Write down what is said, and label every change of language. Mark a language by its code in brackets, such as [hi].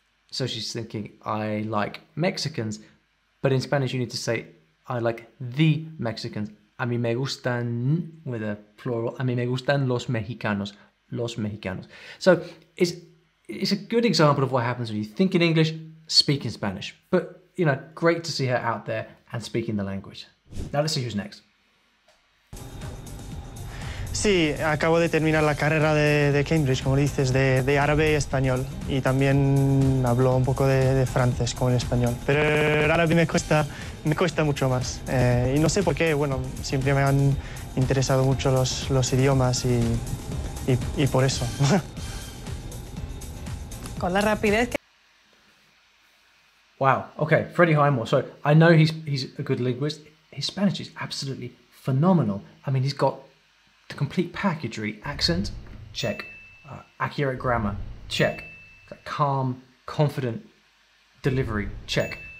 [en] So she's thinking, I like Mexicans, but in Spanish you need to say, I like the Mexicans. [es] A mí me gustan, [en] with a plural, [es] a mí me gustan los mexicanos. [en] So it's a good example of what happens when you think in English, speak in Spanish. But, you know, great to see her out there and speaking the language. Now let's see who's next. [es] Sí, acabo de terminar la carrera de Cambridge, como dices, de árabe y español. Y también hablo un poco de francés, como en español. Pero el árabe me cuesta mucho más. Y no sé por qué, bueno, siempre me han interesado mucho los idiomas y por eso. Con la rapidez que... [en] Wow, okay, Freddie Highmore. So I know he's a good linguist. His Spanish is absolutely phenomenal. I mean, he's got the complete packagery: accent, check; accurate grammar, check; that calm, confident delivery, check.